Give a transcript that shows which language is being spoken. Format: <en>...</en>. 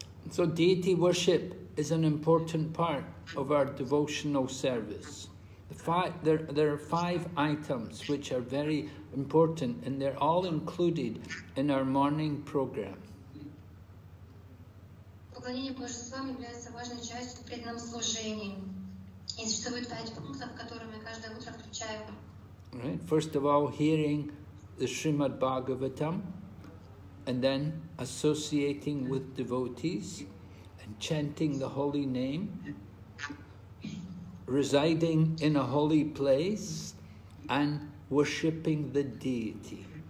<en>So deity worship is an important part of our devotional service. There are five items which are very important, and they're all included in our morning program.</en> <ru>Поклонение божествам является важной частью преданном служении. И существует 5 пунктов, которыми каждое утро включаем.</ru> <en>Right. First of all, hearing the Srimad Bhagavatam, and then associating with devotees, and chanting the holy name, residing in a holy place, and worshipping the deity.</en>